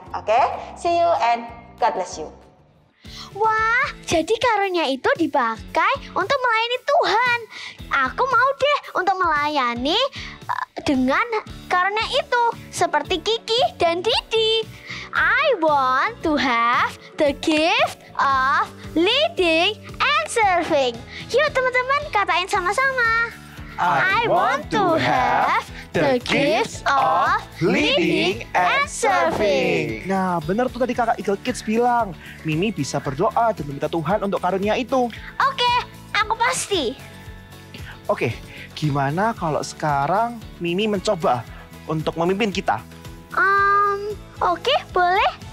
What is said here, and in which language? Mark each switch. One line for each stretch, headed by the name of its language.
English: Oke, see you and God bless you.
Indonesian: Wah, jadi karunia itu dipakai untuk melayani Tuhan. Aku mau deh untuk melayani dengan karunia itu. Seperti Kiki dan Didi.
English: I want to have the gift of leading and serving.
Indonesian: Yuk teman-teman, katain sama-sama.
English: I want to have the gift of leading and serving.
Indonesian: Nah, benar tuh tadi kakak Eagle Kids bilang, Mimi bisa berdoa dan meminta Tuhan untuk karunia itu. Oke, aku pasti. Oke, gimana kalau sekarang Mimi mencoba untuk memimpin kita? Oke, boleh.